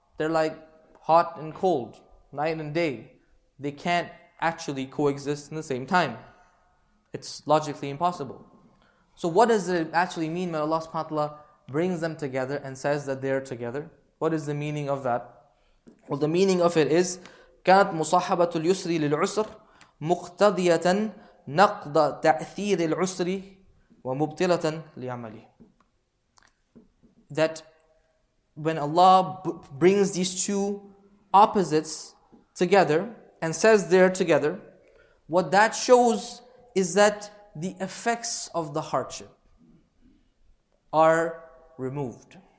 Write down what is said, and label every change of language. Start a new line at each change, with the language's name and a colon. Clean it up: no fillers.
English: They're like hot and cold, night and day. They can't actually coexist in the same time. It's logically impossible. So what does it actually mean when Allah subhanahu wa ta'ala brings them together and says that they are together. What is the meaning of that? Well, the meaning of it is,
Arabic: كانت مصاحبة اليسر للعسر مقتضية نقض تأثير العسر ومبطلة لعمله.
English: That when Allah brings these two opposites together and says they are together, what that shows is that the effects of the hardship are removed.